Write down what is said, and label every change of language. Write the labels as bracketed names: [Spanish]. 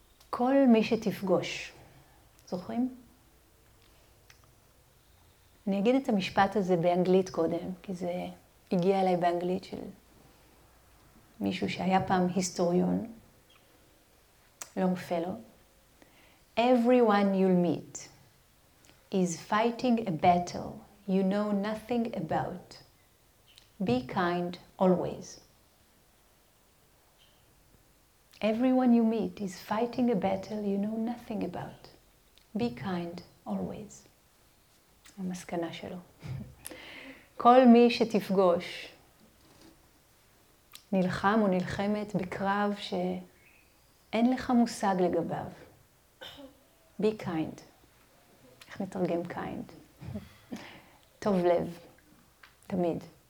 [Hebrew] כל מי שתפגוש, זוכרים? אני אגיד את המשפט הזה באנגלית קודם, כי זה הגיע אליי באנגלית של מישהו שהיה פעם היסטוריון, long fellow. [English] Everyone you'll meet is fighting a battle you know nothing about. Be kind always. Everyone you meet is fighting a battle you know nothing about. Be kind always. המסקנה שלו. [Hebrew] כל מי שתפגוש נלחם או נלחמת בקרב שאין לך מושג לגביו. Be kind. איך נתרגם kind? טוב לב. תמיד.